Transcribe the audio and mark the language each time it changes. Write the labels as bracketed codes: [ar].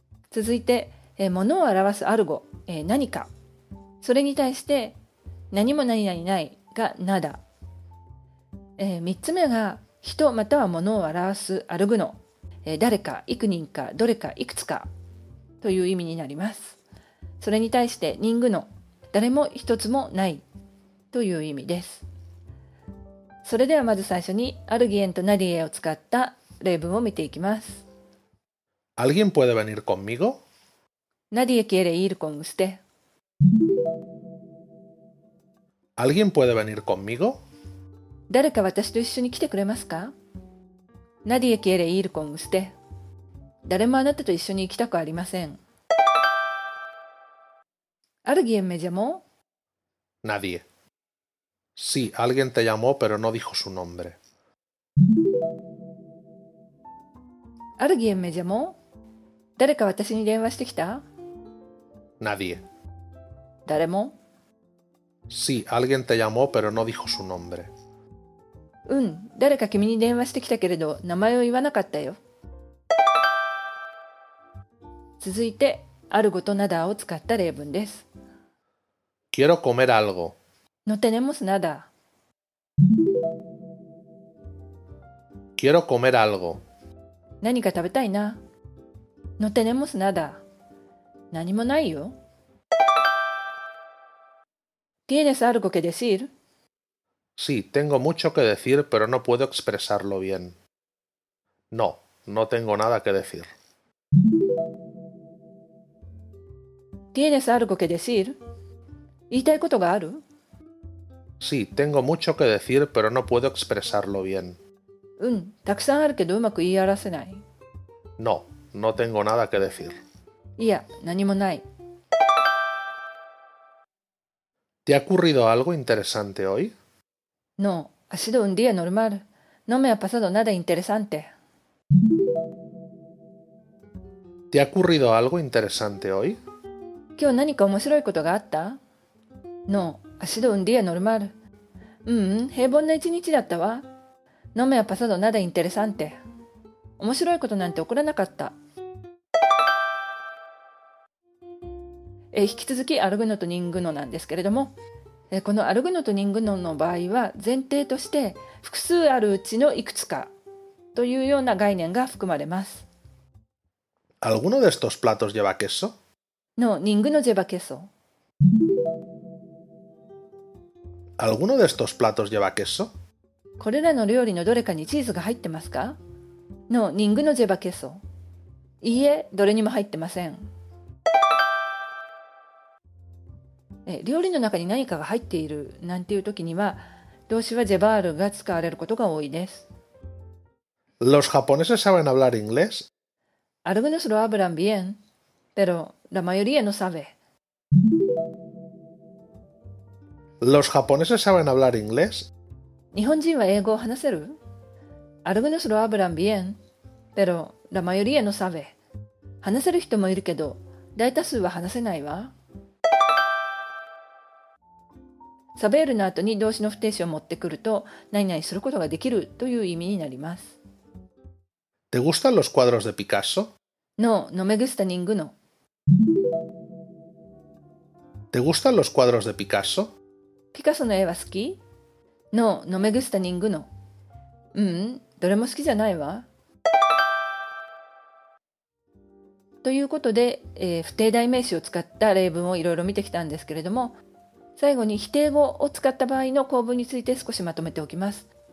[ja] 続いて、物を表すアルゴ、何か、それに対して何も何々ないがナダ、3つ目が人または物を表すアルグノ、誰か、幾人か、どれか、いくつかという意味になります。それに対して人具の、誰も一つもないという意味です。それではまず最初にアルギエンとナディエを使った例文を見ていきます。 [es] ¿Alguien puede venir conmigo? Nadie quiere ir con usted. ¿Alguien puede venir conmigo? [ja] 誰か私と一緒に来てくれますか? [es] Nadie quiere ir con usted. [ja] 誰もあなたと一緒に行きたくありません。 [es] ¿Alguien me llamó? Nadie. Sí, alguien te llamó, pero no dijo su nombre. ¿Alguien me llamó? [ja] 誰か私に電話してきた? [es] Nadie. [ja] 誰も? [es] Sí, alguien te llamó, pero no dijo su nombre. [ja] うん、誰か君に電話してきたけれど、名前を言わなかったよ。続いて、アルゴとナダを使った例文です。 [es] Quiero comer algo. No tenemos nada. Quiero comer algo. [ja] 何か食べたいな。 [es] No tenemos nada. [ja] 何もないよ。 [es] ¿Tienes algo que decir? Sí, tengo mucho que decir, pero no puedo expresarlo bien. No, no tengo nada que decir. ¿Tienes algo que decir? [ja] 言いたいことがある? [es] Sí, tengo mucho que decir, pero no puedo expresarlo bien. [ja] うん、たくさんあるけどうまく言い表せない。 [es] No. No tengo nada que decir. [ja] いや、何もない。 [es] ¿Te ha ocurrido algo interesante hoy? No, ha sido un día normal. No me ha pasado nada interesante. ¿Te ha ocurrido algo interesante hoy? [ja] 今日何か面白いことがあった? [es] No, ha sido un día normal. [ja] 平凡な一日だったわ。 [es] No me ha pasado nada interesante. [ja] 面白いことなんて起こらなかった。引き続きアルグノとニングノなんですけれども、このアルグノとニングノの場合は前提として複数あるうちのいくつかというような概念が含まれます。 [es] ¿Alguno de estos platos lleva queso? No, ninguno lleva queso. ¿Alguno de estos platos lleva queso? [ja] これらの料理のどれかにチーズが入ってますか? [es] No, ninguno lleva queso. [ja] いいえ、どれにも入ってません。料理の中に何かが入っているなんていう時には、動詞はジェバールが使われることが多いです。 [es] Los japoneses saben hablar inglés? Algunos lo hablan bien, pero la mayoría no sabe. Los japoneses saben hablar inglés? [ja] 日本人は英語を話せる? [es] Algunos lo hablan bien. Pero la mayoría no sabe. [ja] 話せる人もいるけど、大多数は話せないわ。 saber の後に動詞の不定詞を持ってくると、何々することができるという意味になります。 [es] ¿Te gustan los cuadros de Picasso? No, no me gusta ninguno. ¿Te gustan los cuadros de Picasso? [ja] Picasso の絵は好き? [es] No, no me gusta ninguno. [ja] どれも好きじゃないわ。ということで、不定代名詞を使った例文をいろいろ見てきたんですけれども、最後に否定語を使った場合の構文について少しまとめておきます。